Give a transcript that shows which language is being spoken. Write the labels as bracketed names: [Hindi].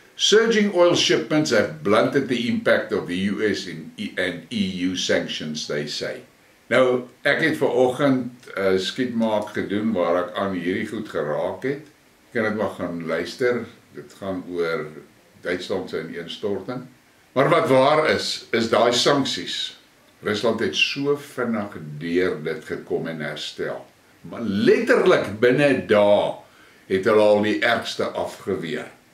[English] Surging oil shipments have blunted the impact of the US and EU sanctions, they say. [Afrikaans] Nou, ek het vanoggend 'n skietmaak gedoen waar ek aan hierdie goed geraak het. Ek kan dit maar gaan luister. Dit gaan oor Duitsland se ineenstorting. Maar wat waar is, is daai sanksies. Rusland het so vinnig deur dit gekom en herstel. Maar letterlik binne dae het hulle al die ergste afgeweer.